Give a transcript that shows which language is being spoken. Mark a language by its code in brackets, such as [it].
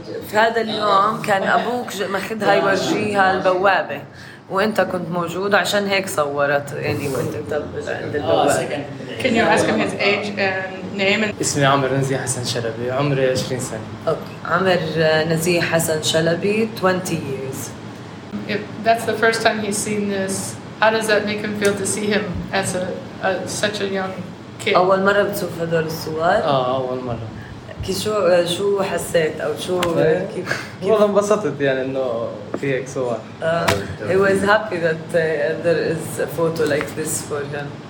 [ar] في هذا اليوم كان ابوك ماخذها يوجيها البوابة وانت كنت موجود عشان هيك صورت يعني وانت عند البوابة. [en] Can you ask him his age and name? [ar] اسمي عمر نزيه حسن شلبي، عمري 20 سنة. [en] Okay. [ar] عمر نزيه حسن شلبي [en] 20 years. If that's the first time he's seen this, how does that make him feel to see him as a such a young kid? [ar] أول مرة بتشوف هدول الصور؟ أول مرة. شو حسيت أو شو كيف؟ والله انبسطت يعني إنه في هيك صور. [en] He was happy that there is a photo like this for him.